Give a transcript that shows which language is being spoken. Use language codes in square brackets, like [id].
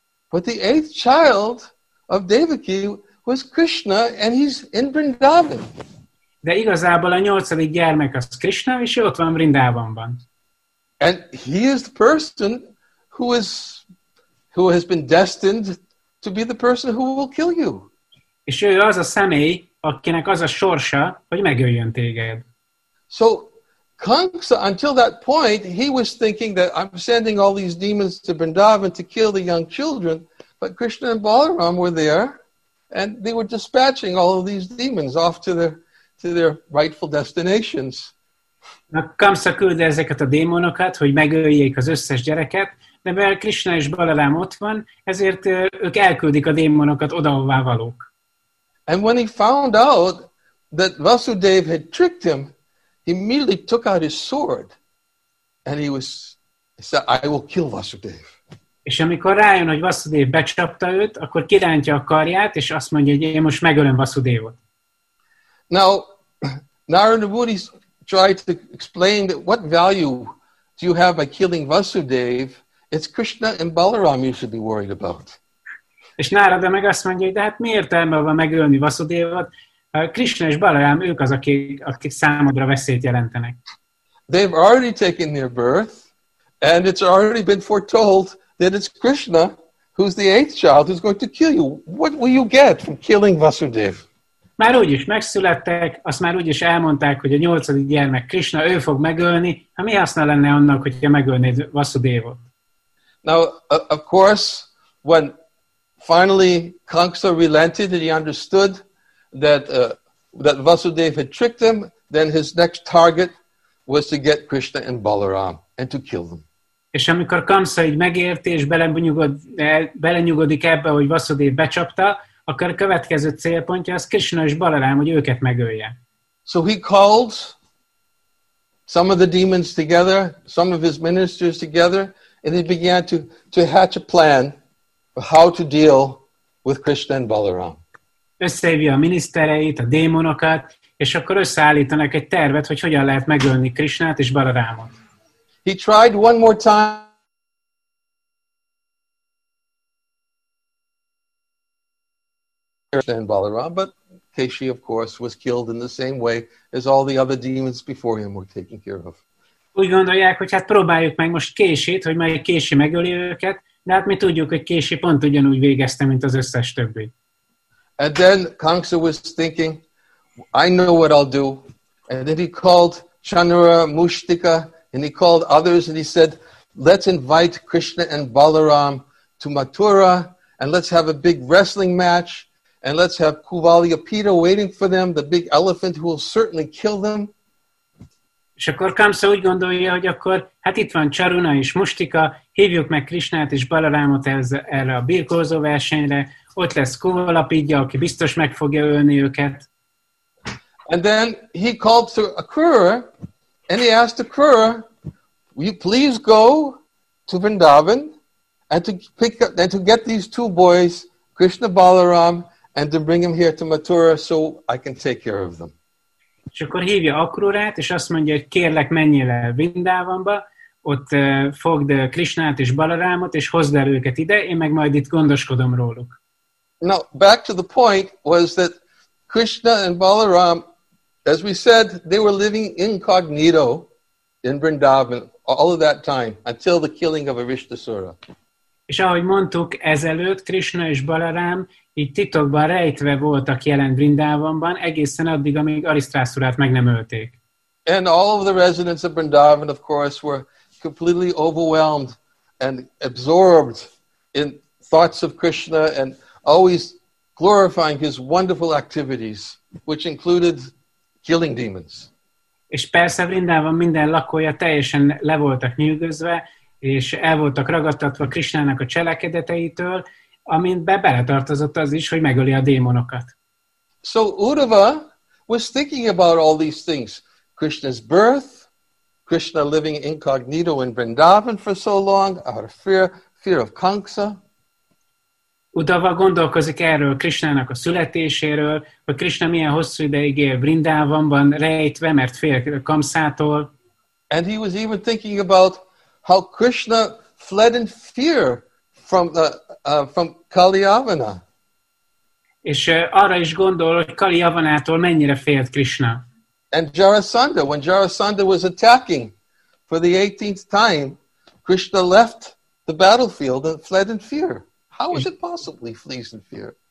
[en] But the eighth child of Devaki was Krishna, and he's in Vrindavan. [hu] De igazából a nyolcadik gyermek az Krishna, és ott van Vrindavanban. [en] And he is the person who has been destined to be the person who will kill you. [hu] És ő az a személy, akinek az a sorsa, hogy megöljön téged. [en] So Kamsa, until that point, he was thinking that I'm sending all these demons to Vrindavan to kill the young children, but Krishna and Balaram were there, and they were dispatching all of these demons off to their rightful destinations. [hu] Na, Kamsa küldte ezeket a démonokat, hogy megöljék az összes gyereket, de mivel Krishna és Balaram ott van, ezért ők elküldik a démonokat oda, ahová valók. [en] And when he found out that Vasudev had tricked him, he immediately took out his sword and he said, I will kill Vasudev. [hu] És amikor rájön, hogy Vasudev becsapta őt, akkor kirántja a karját, és azt mondja, hogy én most megölöm Vasudevot. [en] Now, Narada Muni tried to explain that what value do you have by killing Vasudev? It's Krishna and Balaram you should be worried about. [hu] És Narada meg azt mondja, hogy de hát mi értelme van megölni Vasudevot? Krishna és Balaram, ők az, akik számodra veszélyt jelentenek. [en] They've already taken their birth, and it's already been foretold that it's Krishna who's the eighth child who's going to kill you. What will you get from killing Vasudev? [hu] Már úgyis megszülettek, azt már úgyis elmondták, hogy a nyolcadik gyermek Krishna, ő fog megölni. Hát mi haszna lenne annak, hogyha megölnéd Vasudevot? [en] Now, of course, when finally Kamsa relented and he understood that Vasudev had tricked him, then his next target was to get Krishna and Balaram and to kill them. [hu] És amikor Kamsa így megérti és belenyugodik ebbe, hogy Vasudev becsapta, akkor a következő célpontja az Krishna és Balaram, hogy őket megölje. [en] So he called some of the demons together, some of his ministers together, and they began to hatch a plan for how to deal with Krishna and Balaram. [hu] Összehívja a minisztereit, a démonokat, és akkor összeállítanak egy tervet, hogy hogyan lehet megölni Krishnát és Balarámot. [en] He tried one more time. And Balaram, but Keshi, of course, was killed in the same way as all the other demons before him were taken care of. [hu] Úgy gondolják, hogy hát próbáljuk meg most Keshit, hogy majd Keshi megöli őket, de hát mi tudjuk, hogy Keshi pont ugyanúgy végezte, mint az összes többi. [en] And then Kamsa was thinking, I know what I'll do. And then he called Chanura, Mushtika, and he called others, and he said, let's invite Krishna and Balaram to Mathura, and let's have a big wrestling match, and let's have Kuvalyapita waiting for them, the big elephant who will certainly kill them. [hu] És akkor Kamsa úgy gondolja, hogy akkor, hát itt van Charuna és Mushtika, hívjuk meg Krishnát és Balarámot erre a birkózó versenyre, ott lesz Kuvalapidja, aki biztos meg fogja ölni őket. [en] And then he called to Akura, and he asked Akura, will you please go to Vrindavan and to pick up and to get these two boys, Krishna Balaram, and to bring him here to Mathura so I can take care of them. [hu] És akkor hívja Akurát, és azt mondja, hogy kérlek, menjél el Vrindavanba, ott fogd Krishnát és Balarámot, és hozd el őket ide, én meg majd itt gondoskodom róluk. [en] Now, back to the point was that Krishna and Balaram, as we said, they were living incognito in Vrindavan all of that time, until the killing of Arishtasura. [hu] És ahogy mondtuk ezelőtt, Krishna és Balarám így titokban rejtve voltak jelen Vrindávanban, egészen addig, amíg Arisztrászurát meg nem ölték. [en] And all of the residents of Vrindavan, of course, were completely overwhelmed and absorbed in thoughts of Krishna and always glorifying his wonderful activities, which included killing demons. [hu] És persze Vrindavan minden lakója teljesen le voltak nyűgözve, és el voltak ragadtatva Krishnának a cselekedeteitől, amintbe beletartozott az is, hogy megöli a démonokat. [en] So Uddhava was thinking about all these things. Krishna's birth, Krishna living incognito in Vrindavan for so long, out of fear of Kamsa. [hu] Uddhava gondolkozik erről Krishnának a születéséről, hogy Krishna milyen hosszú ideig él Vrindavanban rejtve, mert fél Kamsától. [en] And he was even thinking about how Krishna fled in fear from Kaliyavana. [hu] És arra is gondol, hogy Kaliyavanától mennyire félt Krishna. [en] And Jarasandha, when Jarasandha was attacking for the 18th time, Krishna left the battlefield and fled in fear. How is it possible he flees in fear?